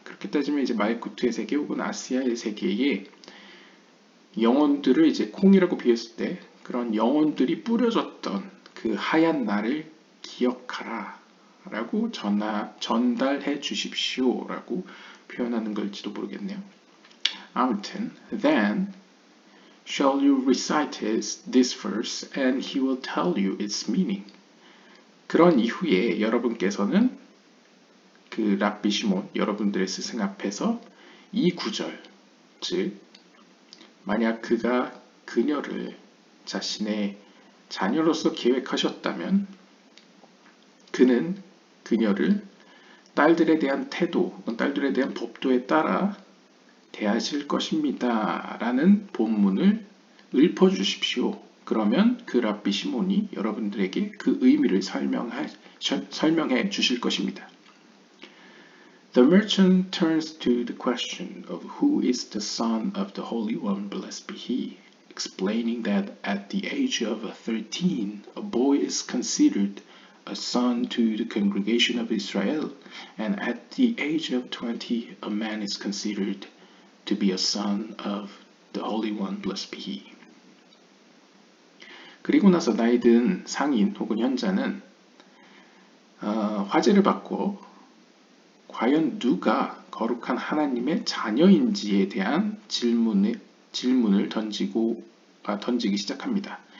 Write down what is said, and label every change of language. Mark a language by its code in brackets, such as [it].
[ko] 그렇게 따지면 이제 말쿠트의 세계 혹은 아시아의 세계에 영혼들을 이제 콩이라고 비유했을 때 그런 영혼들이 뿌려졌던 그 하얀 날을 기억하라 라고 전달해 주십시오 라고 표현하는 걸지도 모르겠네요. 아무튼, [en] then shall you recite this verse and he will tell you its meaning. [ko] 그런 이후에 여러분께서는 그 랍비 시몬, 여러분들의 스승 앞에서 이 구절, 즉 만약 그가 그녀를 자신의 자녀로서 계획하셨다면 그는 그녀를 딸들에 대한 태도, 딸들에 대한 법도에 따라 대하실 것입니다. 라는 본문을 읊어주십시오. 그러면 그 랍비 시몬이 여러분들에게 그 의미를 설명해 주실 것입니다. [en] The merchant turns to the question of who is the son of the Holy One, blessed be he, explaining that at the age of 13, a boy is considered a son to the congregation of Israel, and at the age of 20, a man is considered to be a son of the Holy One, blessed be he. [ko] 그리고 나서 나이 든 상인 혹은 현자는 화제를 받고 과연 누가 거룩한 하나님의 자녀인지에 대한 질문을 던지기 시작합니다.